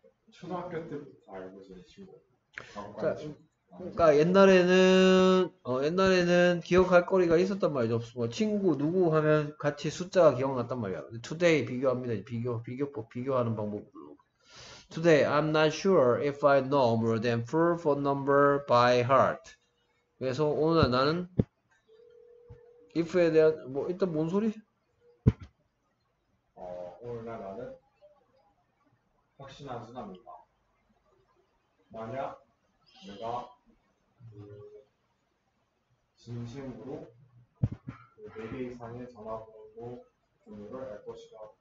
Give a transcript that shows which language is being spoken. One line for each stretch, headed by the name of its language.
Korean: 초등학교 때부터 알고 있는 친구. 자, 그러니까 옛날에는 기억할 거리가 있었단 말이죠. 뭐 친구 누구 하면 같이 숫자가 기억났단 말이야. Today 비교합니다. 비교법 비교하는 방법으로.
English: Today I'm not sure if I know more than four phone number by heart.
Korean: 그래서 오늘 나는 if에 대한 뭐 일단 뭔 소리? 오늘날 나는 확신하진 않는다. 만약 내가 진심으로 4개 이상의 전화번호를 알 것이다.